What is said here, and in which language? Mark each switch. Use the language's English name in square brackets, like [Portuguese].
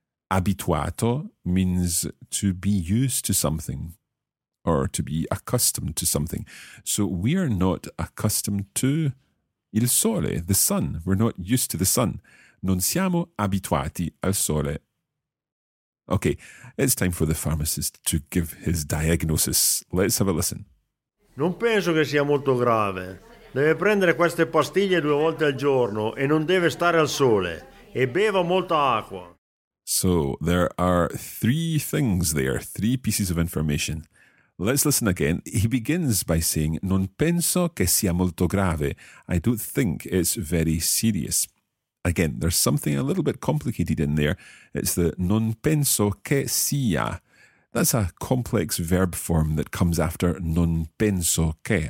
[English] Abituato means to be used to something or to be accustomed to something. So we are not accustomed to il sole, the sun. We're not used to the sun. [Italian] Non siamo abituati al sole. [English] Okay, it's time for the pharmacist to give his diagnosis. Let's have a listen. [Italian] Non penso che sia molto grave. Deve prendere queste pastiglie due volte al giorno e non deve stare al sole. E beva molta acqua. [English] So, there are three things there, three pieces of information. Let's listen again. He begins by saying, [Italian] non penso che sia molto grave. [English] I don't think it's very serious. Again, there's something a little bit complicated in there. It's the [Italian] non penso che sia. [English] That's a complex verb form that comes after [Italian] non penso che.